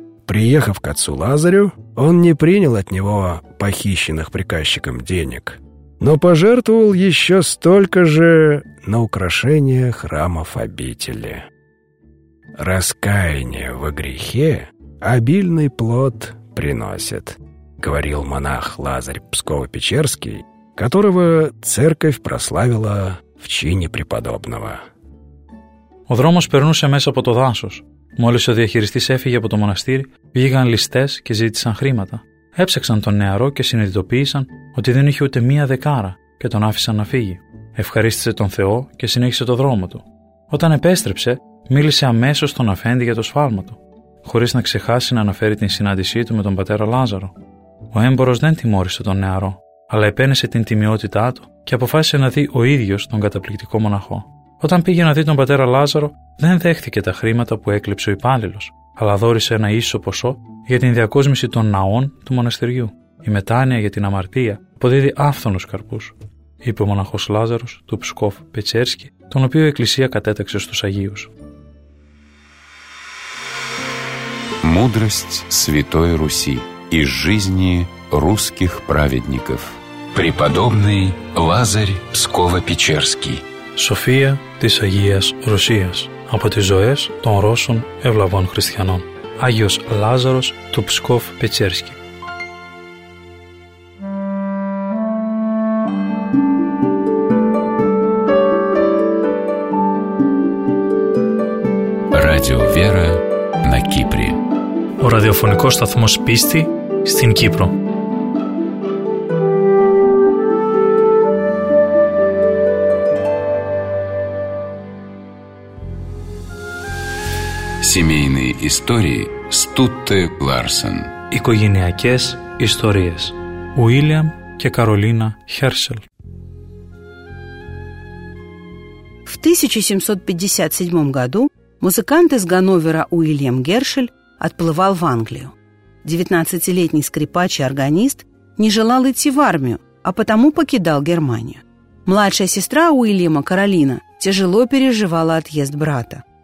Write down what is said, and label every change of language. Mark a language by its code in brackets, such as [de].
[ru] Приехав к отцу Лазарю, он не принял от него похищенных приказчиком денег, но пожертвовал еще столько же на украшение храмов обители. «Раскаяние во грехе обильный плод приносит», — говорил монах Лазарь Псково-Печерский, которого церковь прославила в чине преподобного. [el] Ο δρόμος περνούσε μέσα από το δάσος. Μόλις ο διαχειριστής έφυγε από το μοναστήρι, βγήκαν ληστές και ζήτησαν χρήματα. Έψαξαν τον νεαρό και συνειδητοποίησαν ότι δεν είχε ούτε μία δεκάρα και τον άφησαν να φύγει. Ευχαρίστησε τον Θεό και συνέχισε το δρόμο του. Όταν επέστρεψε, μίλησε αμέσως στον αφέντη για το σφάλμα του, χωρίς να ξεχάσει να αναφέρει την συνάντησή του με τον πατέρα Λάζαρο. Ο έμπορος δεν τιμώρησε τον νεαρό, αλλά επένεσε την τιμιότητά του και αποφάσισε να δει ο ίδιος τον καταπληκτικό μοναχό. Όταν πήγε να δει τον πατέρα Λάζαρο, δεν δέχθηκε τα χρήματα που έκλεψε ο υπάλληλος, αλλά δώρησε ένα ίσο ποσό για την διακόσμηση των ναών του μοναστηριού. Η μετάνοια για την αμαρτία αποδίδει άφθονους καρπούς, είπε ο μοναχός Λάζαρος του Ψκόφ Πετσέρσκι, τον οποίο η Εκκλησία κατέταξε στους Αγίους. [ru] Мудрость Святой Руси из жизни русских праведников. Преподобный Лазарь Псково-Печерский. [el] София της Αγίας Ρωσίας. Από τις ζωές των Ρώσων ευλαβών χριστιανών. Άγιος Λάζαρος του Ψκόφ Πετσέρσκι. [ru] Радио Вера на Кипре. [el] Ο ραδιοφωνικός σταθμός πίστη στην Κύπρο. [ru] Семейные истории Стутте Ларсен. [el] Οικογενειακές ιστορίες. Ουίλιαμ και Καρολίνα Χέρσελ. [ru] В 1757 году музыкант из Ганновера Уильям Гершель отплывал в Англию. 19-летний скрипач и органист не желал идти в армию, а потому покидал Германию. Младшая сестра Уильяма, Каролина, тяжело переживала отъезд брата.